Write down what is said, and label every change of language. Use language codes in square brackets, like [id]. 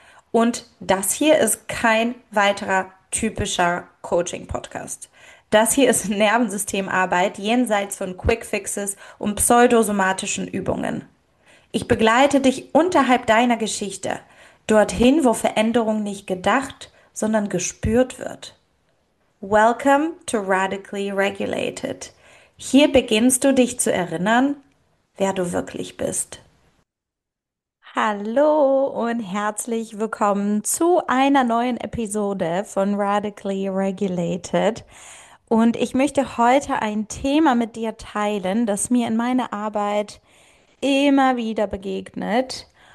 [de] Und das hier ist kein weiterer typischer Coaching-Podcast. Das hier ist Nervensystemarbeit jenseits von Quickfixes und pseudosomatischen Übungen. Ich begleite dich unterhalb deiner Geschichte, dorthin, wo Veränderung nicht gedacht, sondern gespürt wird. [en] Welcome to Radically Regulated. [de] Hier beginnst du dich zu erinnern, wer du wirklich bist. Hallo und herzlich willkommen zu einer neuen Episode von Radically Regulated. Und ich möchte heute ein Thema mit dir teilen, das mir in meiner Arbeit immer wieder begegnet.